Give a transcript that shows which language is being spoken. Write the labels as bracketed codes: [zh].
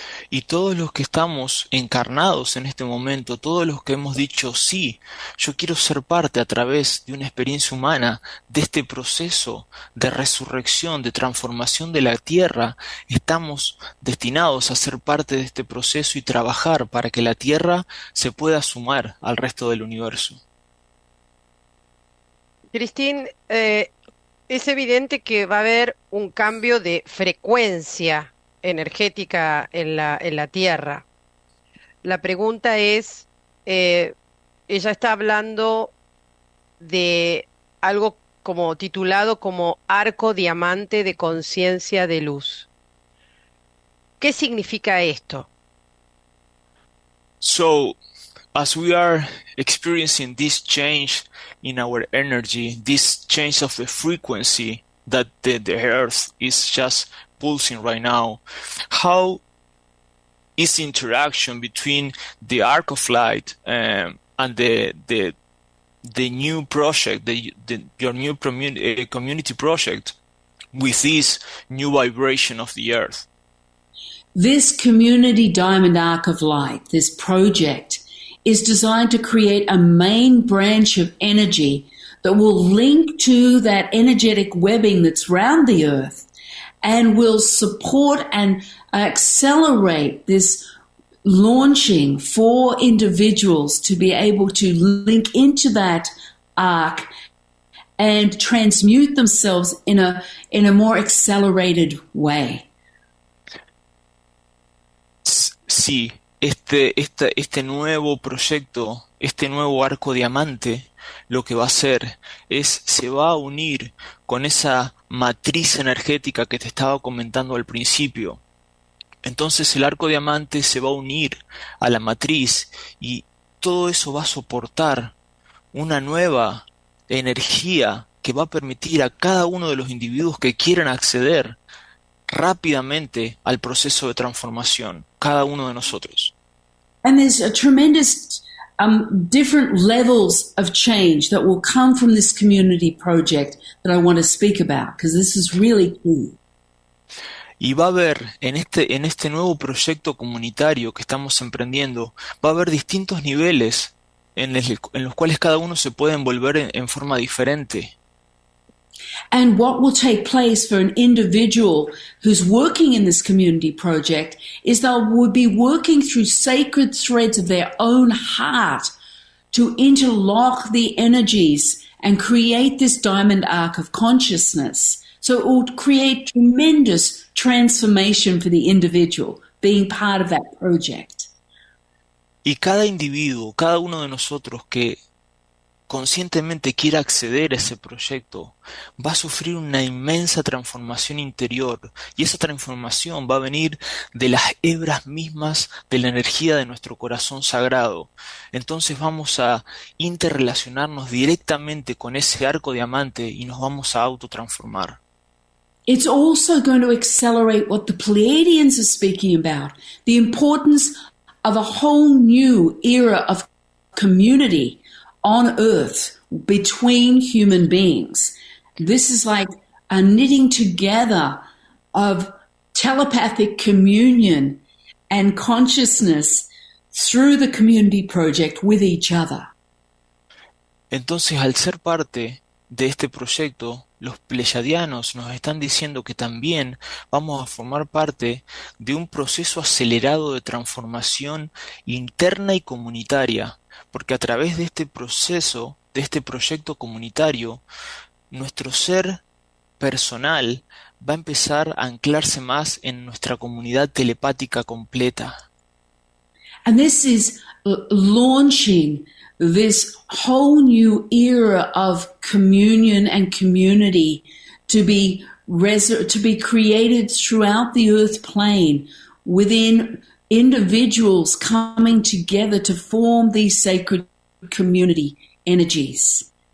[es] Y todos los que estamos encarnados en este momento, todos los que hemos dicho sí, yo quiero ser parte a través de una experiencia humana de este proceso de resurrección, de transformación de la Tierra, estamos destinados a ser parte de este proceso y trabajar para que la Tierra se pueda sumar al resto del universo. Christine, es evidente que va a haber un cambio de frecuencia energética en la Tierra. La pregunta es, ella está hablando de algo como titulado como arco diamante de conciencia de luz. ¿Qué significa esto? [en] So, as we are experiencing this change in our energy, this change of the frequency that the Earth is just pulsing right now, how is interaction between the arc of light and the new project, the your new community project, with this new vibration of the Earth? This community diamond arc of light, this project, is designed to create a main branch of energy that will link to that energetic webbing that's around the Earth. and will support and accelerate this launching for individuals to be able to link into that arc and transmute themselves in a more accelerated way. [es] Sí, este nuevo proyecto, este nuevo arco diamante, lo que va a hacer es se va a unir con esa matriz energética que te estaba comentando al principio. Entonces el arco diamante se va a unir a la matriz y todo eso va a soportar una nueva energía que va a permitir a cada uno de los individuos que quieran acceder rápidamente al proceso de transformación, cada uno de nosotros. [en] And there's a tremendous different levels of change that will come from this community project that I want to speak about, because this is really cool. [es] Y va a haber en este nuevo proyecto comunitario que estamos emprendiendo, va a haber distintos niveles en los cuales cada uno se puede envolver en forma diferente. [en] And what will take place for an individual who's working in this community project is they'll would be working through sacred threads of their own heart to interlock the energies and create this diamond arc of consciousness. So it will create tremendous transformation for the individual being part of that project. [es] Y cada individuo, cada uno de nosotros que conscientemente quiera acceder a ese proyecto, va a sufrir una inmensa transformación interior, y esa transformación va a venir de las hebras mismas de la energía de nuestro corazón sagrado. Entonces vamos a interrelacionarnos directamente con ese arco diamante y nos vamos a autotransformar. [en] It's also going to accelerate what the Pleiadians are speaking about, the importance of a whole new era of community on Earth between human beings. This is like a knitting together of telepathic communion and consciousness through the community project with each other. [es] Entonces, al ser parte de este proyecto, los pleyadianos nos están diciendo que también vamos a formar parte de un proceso acelerado de transformación interna y comunitaria, porque a través de este proceso, de este proyecto comunitario, nuestro ser personal va a empezar a anclarse más en nuestra comunidad telepática completa. [en] And this is launching this whole new era of communion and community to be created throughout the earth plane within individuals coming together to form these sacred community energies.